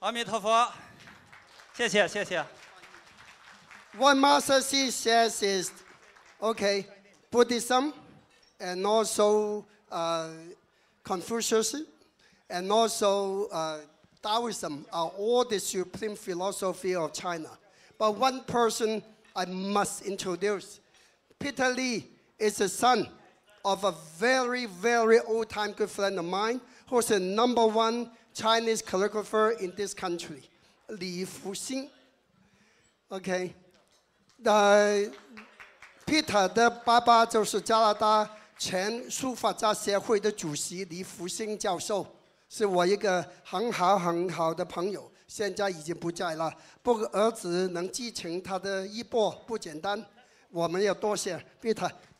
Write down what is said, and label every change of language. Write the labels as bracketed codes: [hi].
[zh] 我们中华的传统文化少林功夫，我们的儒释道，实际都是我们中国的这个传统文化精髓。那佛道不分家，在这个时刻，祝大家在新的一年里身体健康，吉祥如意，阿弥陀佛，谢谢，谢谢。 [en] What Master Xi says is, okay, Buddhism and also Confucius and also Taoism are all the supreme philosophy of China. But one person I must introduce, Peter Li is the son of a very, very old-time good friend of mine who's the number one Chinese calligrapher in this country, Li Fuxing, okay. [zh] Peter 的爸爸就是加拿大前书法家协会的主席李福兴教授，是我一个很好很好的朋友，现在已经不在了。不过儿子能继承他的衣钵不简单，我们要多谢 Peter。